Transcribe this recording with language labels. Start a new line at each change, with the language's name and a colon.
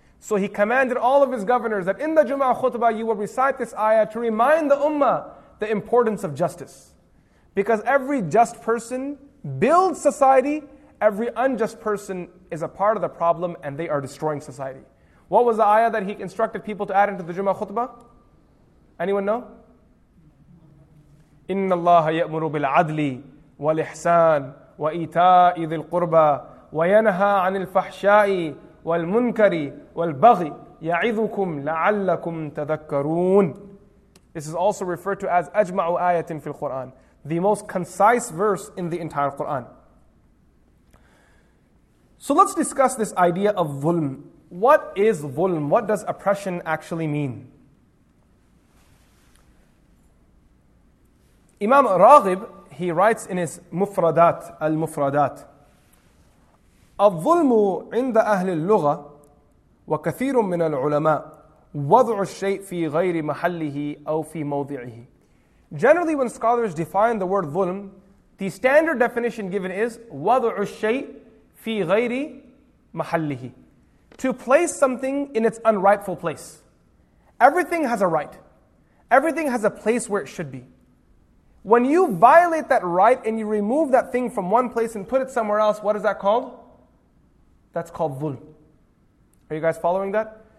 English: So he commanded all of his governors that in the Jum'ah khutbah you will recite this ayah to remind the ummah the importance of justice. Because every just person builds society, every unjust person is a part of the problem and they are destroying society. What was the ayah that he instructed people to add into the Jum'ah khutbah? Anyone know?
Arabic: إِنَّ اللَّهَ يَأْمُرُ بِالْعَدْلِ وَالْإِحْسَانِ وَإِيْتَاءِ ذِي الْقُرْبَى وَيَنْهَى عَنِ الْفَحْشَاءِ وَالْمُنْكَرِ وَالْبَغِي يَعِذُكُمْ لَعَلَّكُمْ تَذَكَّرُونَ This is also referred to as أَجْمَعُ آيَةٍ فِي الْقُرْآنِ
English: The most concise verse in the entire Qur'an. So let's discuss this idea of ظلم. What is ظلم? What does oppression actually mean? Imam Raghib, he writes in his Mufradat, Al-Mufradat,
Arabic: الظلم عند أهل اللغة وكثير من العلماء وضع الشيء في غير محله أو في موضعه.
English: Generally, when scholars define the word ظلم, the standard definition given is
Arabic: وضع الشيء في غير محله.
English: To place something in its unrightful place. Everything has a right. Everything has a place where it should be. When you violate that right and you remove that thing from one place and put it somewhere else, what is that called? That's called ظلم. Are you guys following that?